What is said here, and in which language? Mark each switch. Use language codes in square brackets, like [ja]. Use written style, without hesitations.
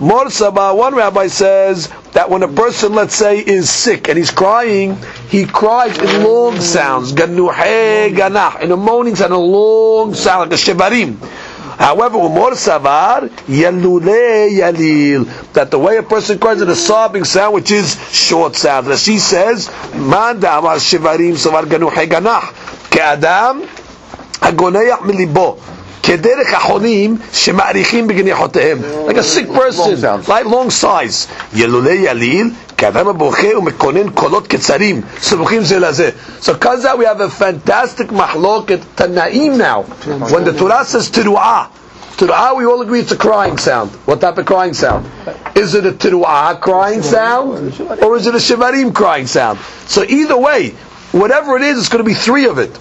[en] Mor Sabar, one rabbi says that when a person, let's say, is sick and he's crying, he cries in long sounds, Ganuhe Ganah, in a moaning sound, a long sound, like a Shevarim. However, Mor Sabar Yalule Yalil, that the way a person cries in a sobbing sound, which is short sound. Rashi says, Manda Amar Shevarim Sabar Ganuhe Ganah. [he] כאדם הגונח מליבו כדרך החונים שמאריכים בגניחותיהם. [en] Like a sick person, like long sighs. [he] ילולי יליל, כאדם הבוכה ומקונן קולות קצרים, סמוכים זה לזה. [en] So because that we have a fantastic מחלוקת תנאים now. When the Torah says תרועה, תרועה, we all agree it's a crying sound. What type of crying sound? Is it a תרועה crying sound? Or is it a שברים crying sound? So either way, whatever it is, it's going to be three of it.